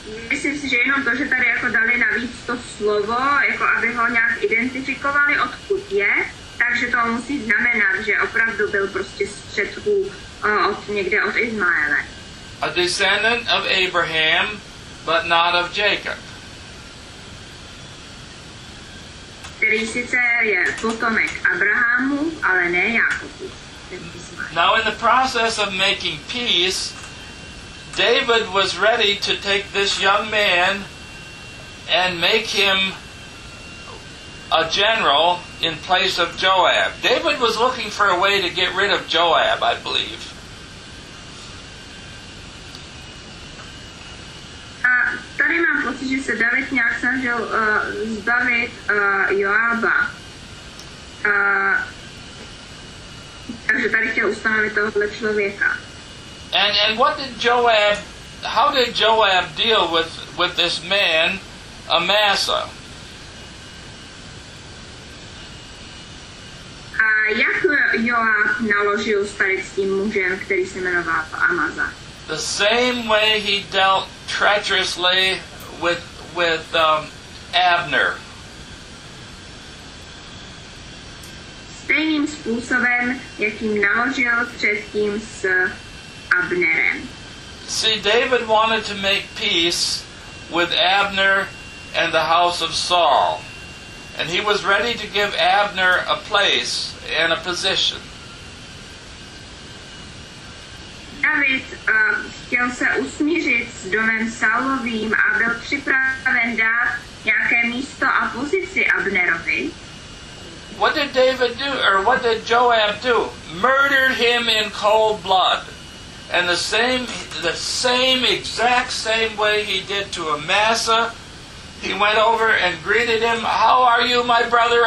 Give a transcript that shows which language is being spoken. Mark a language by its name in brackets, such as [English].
[Czech] Myslím si, že jenom to, že tady jako dali navíc to slovo, jako aby ho nějak identifikovali, odkud je, takže to musí znamenat, že opravdu byl prostě z předků od někde od Izmaele. [English] A descendant of Abraham, but not of Jacob. [Czech] Který sice je potomek Abrahamu, ale ne Jakobu. [English] Now in the process of making peace, David was ready to take this young man and make him a general in place of Joab. David was looking for a way to get rid of Joab, I believe. [Czech] Tady mám pocit, že se David nějak snažil zbavit Joába. Takže tady chtěl ustanovit tohohle člověka. [English] And what did Joab, how did Joab deal with this man, Amasa? [Czech] A jak Joab naložil tady s tím mužem, který se jmenoval Amaza? [English] The same way he dealt treacherously with Abner. [Czech] Stejným způsobem, jakým naložil předtím s Abnerem. [English] See, David wanted to make peace with Abner and the house of Saul. And he was ready to give Abner a place and a position. [Czech] David chtěl se usmířit s domem Saulovým a byl připraven dát nějaké místo a pozici Abnerovi. [English] What did David do, or what did Joab do? Murdered him in cold blood. And the exact same way he did to Amasa, he went over and greeted him, "How are you, my brother?